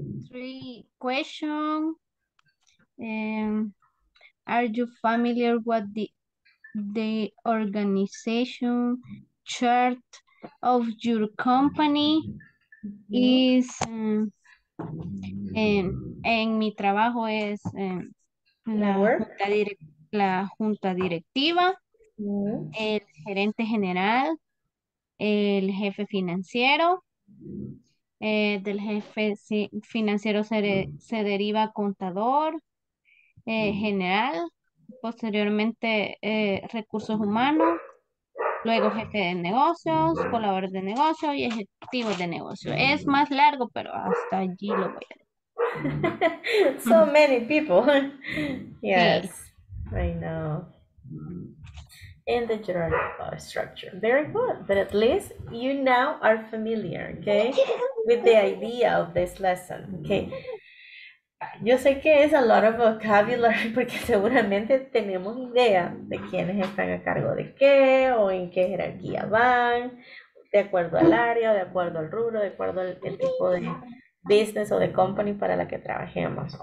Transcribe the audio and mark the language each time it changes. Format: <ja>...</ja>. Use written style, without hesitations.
<en>Three questions. Are you familiar with the organization chart of your company?</en> <es>Is en mi trabajo es la junta directiva, el gerente general, el jefe financiero. Del jefe financiero se deriva contador general, posteriormente recursos humanos, luego jefe de negocios, colaborador de negocio y ejecutivo de negocio. Es más largo, pero hasta allí lo voy a decir.</es> <en>So many people. Yes, sí. I know. In the general structure. Very good. But at least you now are familiar, okay, with the idea of this lesson, okay.</en> <es>Yo sé que es</es> <en>a lot of vocabulary</en> <es>porque seguramente tenemos idea de quiénes están a cargo de qué o en qué jerarquía van, de acuerdo al área, de acuerdo al rubro, de acuerdo al el tipo de business o de company para la que trabajemos.</es>